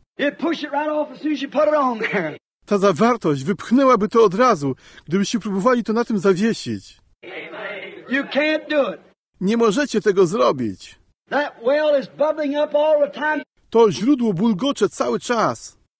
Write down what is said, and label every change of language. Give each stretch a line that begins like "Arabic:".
English: It push it right off as soon as you put it on there.
Polish: Ta zawartość wypchnęłaby to od razu, gdybyście próbowali to na tym zawiesić.
English: You can't do it.
Polish: Nie możecie tego zrobić.
English: That well is bubbling up all the time.
Polish: To źródło bulgocze cały czas.